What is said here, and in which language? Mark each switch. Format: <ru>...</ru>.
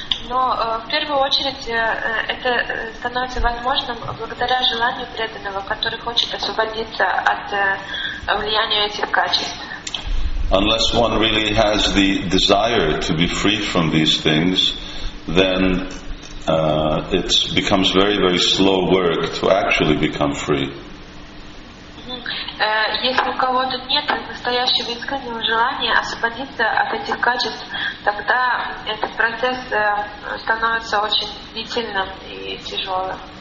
<ru>Но в первую очередь это становится возможным благодаря желанию преданного, который хочет освободиться от влияния этих качеств.</ru> <en>Unless one really has the desire to be free from these things, then it becomes very, very slow work to actually become free.</en> <ru>Если у кого-то нет настоящего искреннего желания освободиться от этих качеств, тогда этот процесс становится очень длительным и тяжелым.</ru>